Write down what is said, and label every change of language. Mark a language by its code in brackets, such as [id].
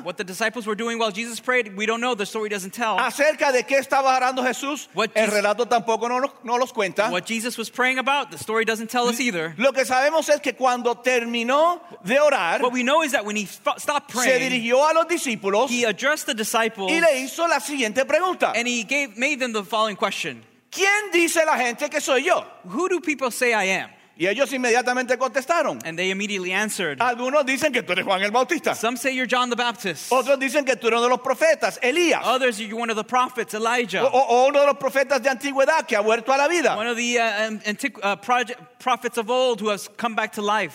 [en] What the disciples were doing while Jesus prayed, we don't know. The story doesn't tell. [es] Acerca de qué estaba orando Jesús, el relato tampoco no los cuenta. [en] What Jesus was praying about, the story doesn't tell us either. [es] Lo que sabemos es que cuando terminó de orar, [en] what we know is that when he stopped praying, [es] se dirigió a los discípulos, [en] he addressed the disciples. [es] Y le hizo la siguiente pregunta. [en] And he made them the following question. [es] ¿Quién dice la gente que soy yo? [en] Who do people say I am? [es] Y ellos inmediatamente contestaron. [en] And they immediately answered. [es] Algunos dicen que tú eres Juan el Bautista. [en] Some say you're John the Baptist. [es] Otros dicen que tú eres uno de los profetas, Elías. [en] Others, you're one of the prophets, Elijah. [es] O uno de los profetas de antigüedad que ha vuelto a la vida. [en] One of the prophets of old who has come back to life.